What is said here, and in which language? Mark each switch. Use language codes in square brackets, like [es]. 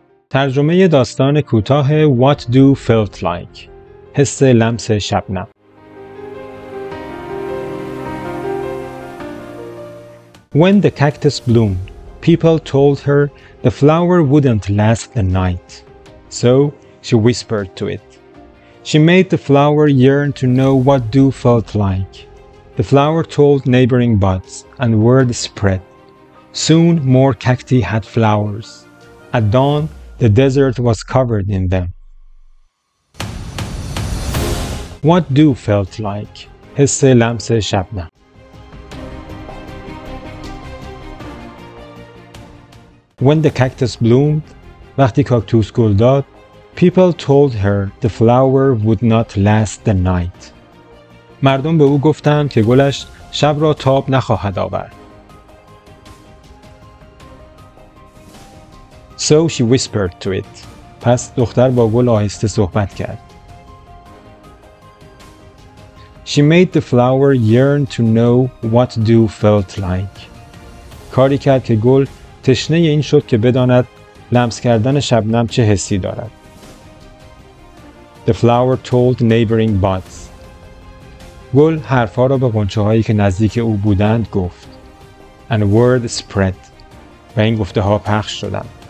[fa] ترجمه داستان کوتاه [en] What Do Felt Like، [fa] حس لمس شبنم. [en] When the cactus bloomed, people told her the flower wouldn't last a night. So she whispered to it. She made the flower yearn to know what dew felt like. The flower told neighboring buds, and word spread. Soon more cacti had flowers. At dawn, the desert was covered in them. What dew felt like. [fa] حس لمس شبنم. [en] When the cactus bloomed, [fa] وقتی کاکتوس گل داد, [en] people told her the flower would not last the night. [fa] مردم به او گفتند که گلش شب را تاب نخواهد آورد. [en] So she whispered to it. [fa] پس دختر با گل آهسته صحبت کرد. [en] She made the flower yearn to know what dew felt like. [fa] کاری کرد که گل تشنه این شد که بداند لمس کردن شبنم چه حسی دارد. [en] The flower told neighboring buds. [fa] گل حرفا را به غنچه هایی که نزدیک او بودند گفت. [en] And word spread. [fa] و این گفته ها پخش شدند.